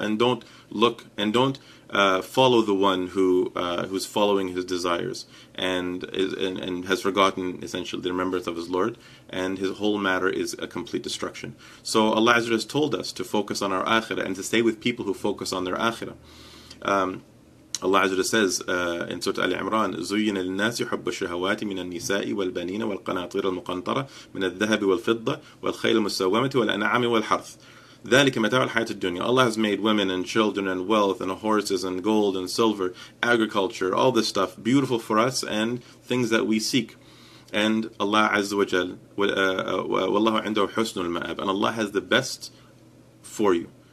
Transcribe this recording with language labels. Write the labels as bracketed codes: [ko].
[en] And don't look and don't follow the one who's following his desires and has forgotten essentially the remembrance of his Lord, and his whole matter is a complete destruction. So Allah Azza has told us to focus on our akhirah and to stay with people who focus on their akhirah. Allah Azza says in Surah Al Imran, [ar] "زين للناس حب الشهوات من النساء والبنين والقناطير المقنطرة من الذهب والفضة والخيل المسومة والأنعام والحرث." ذلك متاع الحياة الدنيا. [en] Allah has made women and children and wealth and horses and gold and silver, agriculture, all this stuff beautiful for us and things that we seek. And Allah Azza wa Jal, [ar] وَاللَّهُ عِنْدَهُ حُسْنُ الْمَآبِ, [en] and Allah has the best for you.